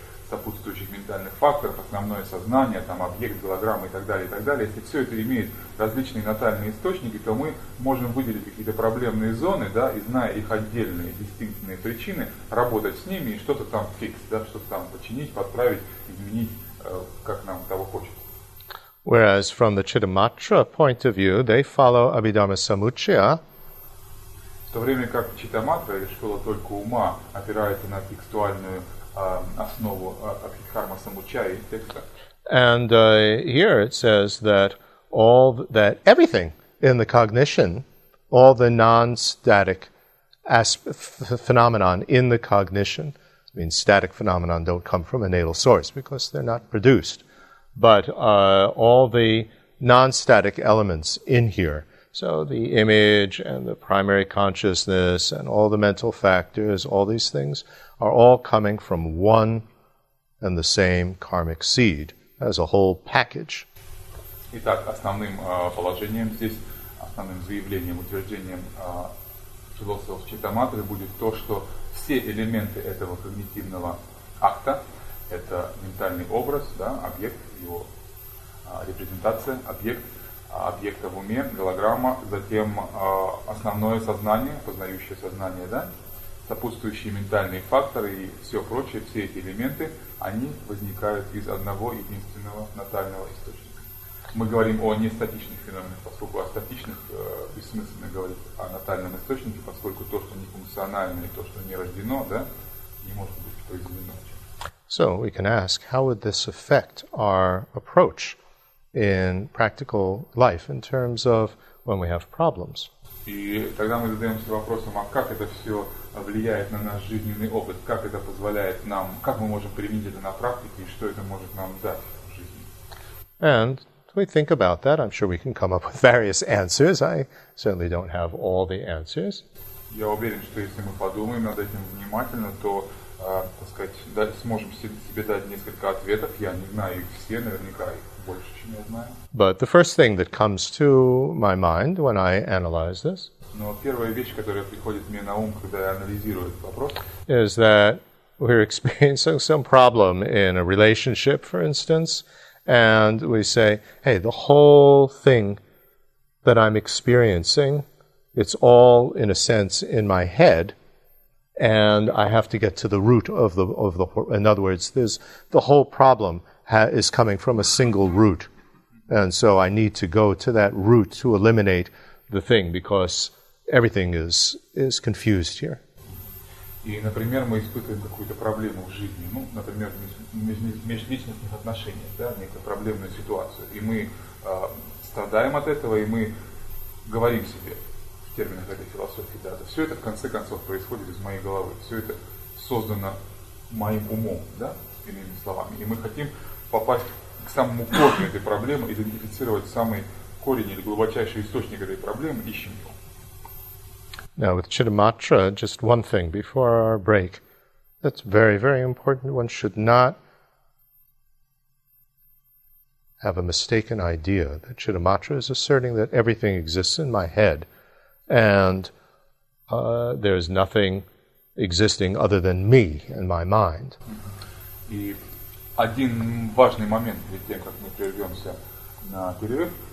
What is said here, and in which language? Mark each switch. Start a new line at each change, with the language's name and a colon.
Russian: сопутствующих ментальных факторов, основное сознание, там объект, голограмма и так далее, если все это имеет различные натальные источники, то мы можем выделить какие-то проблемные зоны, да, и зная их отдельные, дистинктные причины, работать с ними и что-то там фикс, да, что-то там починить, подправить, изменить, как нам того хочет.
English: Whereas from the Chittamatra point of view, they follow Abhidharma Samuchaya.
Russian: В то время как читаматра или школа только ума опирается на текстуальную основу Абхидхарма Самучаи текста.
English: And here it says that everything in the cognition, all the non-static phenomenon in the cognition, I mean static phenomenon don't come from a natal source because they're not produced, but all the non-static elements in here. So the image and the primary consciousness and all the mental factors, all these things are all coming from one and the same karmic seed as a whole package.
Russian: Итак, основным положением здесь, основным заявлением, утверждением философов Читаматры будет то, что все элементы этого когнитивного акта, это ментальный образ, да, объект, его репрезентация, объект, объекта в уме, голограмма, затем основное сознание, познающее сознание, да, сопутствующие ментальные факторы и все прочее, все эти элементы, они возникают из одного единственного натального источника. Мы говорим о нестатичных феноменах, поскольку о статичных бессмысленно говорить о натальном источнике, поскольку то, что не функционально и то, что не рождено, да, не может быть произведено.
English: So we can ask, how would this affect our approach in practical life, in terms of when we have problems.
Russian: И тогда мы задаемся вопросом, а как это все влияет на наш жизненный опыт? Как это позволяет нам, как мы можем применить это на практике, и что это может нам дать в жизни?
English: And we think about that. I'm sure we can come up with various answers. I certainly don't have all the answers.
Russian: Я уверен, что если мы подумаем над этим внимательно, то так сказать, да, сможем себе дать несколько ответов. Я не знаю их все, наверняка их больше, чем я знаю.
English: But the first thing that comes to my mind when I analyze this,
Russian: но первая вещь, которая приходит мне на ум, когда я анализирую этот вопрос,
English: is that we're experiencing some problem in a relationship, for instance, and we say, hey, the whole thing that I'm experiencing, it's all, in a sense, in my head, and I have to get to the root of the in other words, there's the whole problem is coming from a single root, and so I need to go to that root to eliminate the thing because everything is confused here.
Russian: И, например, мы испытываем какую-то проблему в жизни, ну, например, межличностных отношениях, да, некую проблемную ситуацию, и мы страдаем от этого, и мы говорим себе в терминах этой философии, да, да, все это в конце концов происходит из моей головы, все это создано моим умом, да, иными словами, и мы хотим попасть к самому корню этой проблемы, идентифицировать самый корень или глубочайший источник этой проблемы, ищем его.
English: Now with Chittamatra, just one thing before our break, that's very, very important. One should not have a mistaken idea that Chittamatra is asserting that everything exists in my head and there is nothing existing other than me and my mind.
Russian: И один важный момент перед тем, как мы прервемся на перерыв.